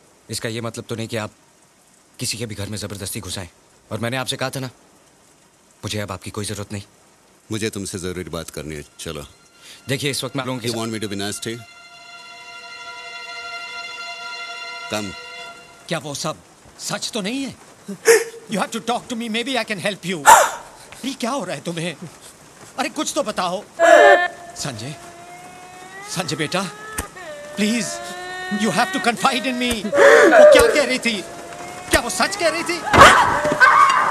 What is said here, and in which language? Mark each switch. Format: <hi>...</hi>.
<hi>इसका यह मतलब तो नहीं कि आप किसी के भी घर में जबरदस्ती घुसाए? और मैंने आपसे कहा था ना, मुझे अब आपकी कोई जरूरत नहीं। मुझे तुमसे जरूरी बात करनी है। चलो देखिए, इस वक्त मैं लोगों के साथ।</hi> <en>You want me to be nasty? Come.</en> <hi>क्या वो सब सच तो नहीं है?</hi> <en>You have to talk to me, maybe I can help you.</en> <hi>ये क्या हो रहा है तुम्हें? अरे कुछ तो बताओ। संजय, संजय बेटा,</hi> <en>Please you have to confide in me.</en> <hi>वो क्या कह रही थी? क्या वो सच कह रही थी?</hi>